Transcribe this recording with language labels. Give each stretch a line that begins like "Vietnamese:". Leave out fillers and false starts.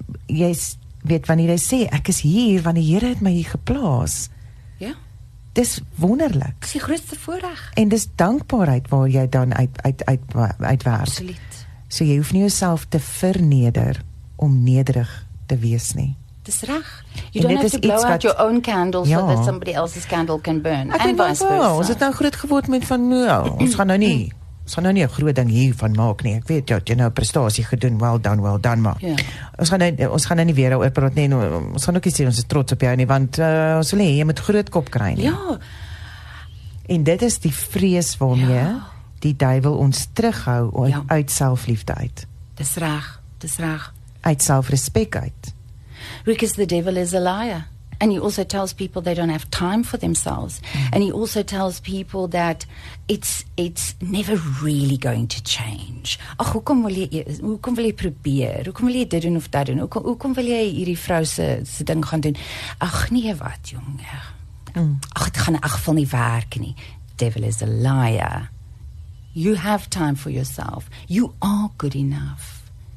Afrikaans: Jy is, weet wanneer jy sê, ek is hier, want die Here het my hier geplaas. Dis wonderlik. Dis die grootste voorreg. En dis dankbaarheid waar jy dan uitwerk. Absoluut. So jy hoef nie jouself te verneder om nederig te wees nie. Dis reg.
English: You don't have to blow out your own candle so that somebody else's candle can burn.
Afrikaans: Ek en vice versa. Ons het nou groot geword met van nou. Ons gaan nou nie 'n groot ding hiervan maak nie. Ek weet jy het nou 'n prestasie gedoen.
English: Well done, maar. Yeah.
Afrikaans: Ons gaan nou nie weer daaroor praat nie. Ons gaan ook nie sê ons is trots op jou nie, want ons wil hê jy moet groot kop kry nie. Ja. En dit is die vrees waarmee die duiwel ons terughou uit selfliefde uit. Dis reg. Dis reg. Uit selfrespek uit.
English: Because the devil is a liar. And he also tells people they don't have time for themselves. Mm-hmm. And he also tells people that it's never really going to change.
Afrikaans: Ach, hoe kom wil jy probeer? Hoe kom wil jy dit doen of dat doen? Hoe kom wil jy hierdie vrou se ding gaan doen? Ach, nee wat, jonge. Mm. Ach, dit gaan in elk geval nie werk nie.
English: Devil is a liar. You have time for yourself. You are good enough.